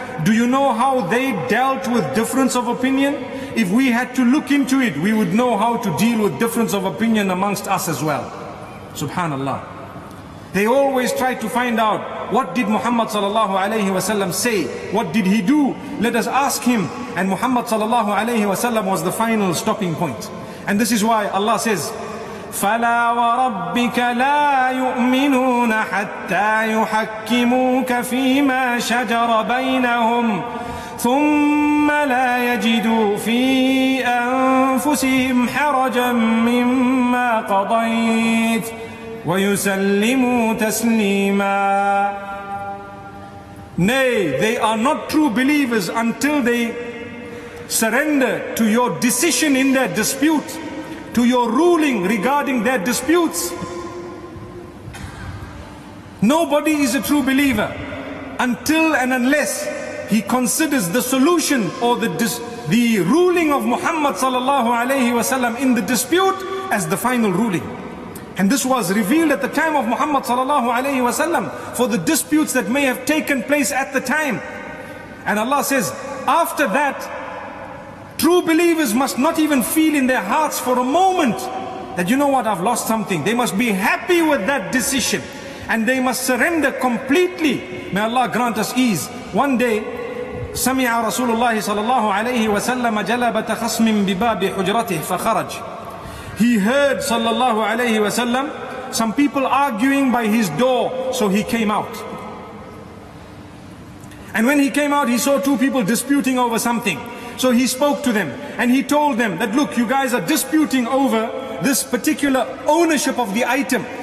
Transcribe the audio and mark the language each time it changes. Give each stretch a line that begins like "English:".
English: Do you know how they dealt with difference of opinion? If we had to look into it, we would know how to deal with difference of opinion amongst us as well. Subhanallah. They always try to find out, what did Muhammad sallallahu alayhi wa sallam say? What did he do? Let us ask him. And Muhammad sallallahu alayhi wa sallam was the final stopping point. And this is why Allah says,
Arabic: فَلَا وَرَبِّكَ لَا يُؤْمِنُونَ حَتَّى يُحَكِّمُوكَ فِي مَا شَجَرَ بَيْنَهُمْ ثُمَّ لَا يَجِدُوا فِي أَنفُسِهِمْ حَرَجًا مِمَّا قَضَيْتِ وَيُسَلِّمُوا تَسْلِيمًا.
English: Nay, they are not true believers until they surrender to your decision in their dispute, to your ruling regarding their disputes. Nobody is a true believer until and unless he considers the solution or the ruling of Muhammad sallallahu alayhi wa sallam in the dispute as the final ruling. And this was revealed at the time of Muhammad sallallahu alayhi wa sallam for the disputes that may have taken place at the time. And Allah says, after that, true believers must not even feel in their hearts for a moment that, you know what, I've lost something. They must be happy with that decision and they must surrender completely. May Allah grant us ease. One day,
Arabic: سَمِعَ رَسُولُ اللَّهِ صَلَّى اللَّهُ وَسَلَّمَ جَلَبَةَ خَصْمٍ بِبَابِ حُجْرَتِهِ فَخَرَجْ.
English: He heard sallallahu alayhi wa sallam some people arguing by his door, so he came out. And when he came out, he saw two people disputing over something. So he spoke to them and he told them that, look, you guys are disputing over this particular ownership of the item.